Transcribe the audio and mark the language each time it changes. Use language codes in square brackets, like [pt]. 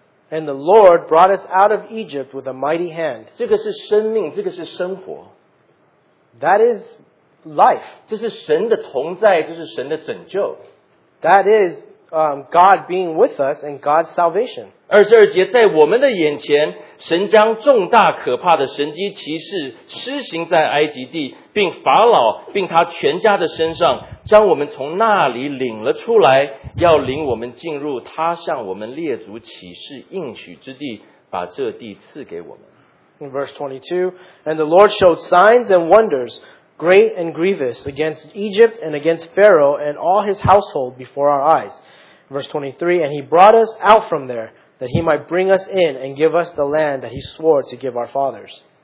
[en] And the Lord brought us out of Egypt with a mighty hand. [zh] 这个是生命,这个是生活。 [en] That is life. [zh] 这是神的同在,这是神的拯救。 [en] That is God being with us and God's salvation. [zh] 22节, 在我们的眼前, 神将重大可怕的神迹奇事施行在埃及地, 并法老, 并他全家的身上, 将我们从那里领了出来, 要领我们进入他向我们列祖启示应许之地, 把这地赐给我们。 [en] In verse 22, and the Lord showed signs and wonders, great and grievous, against Egypt and against Pharaoh and all his household before our eyes. Verse 23, and he brought us out from there, that he might bring us in and give us the land that he swore to give our fathers.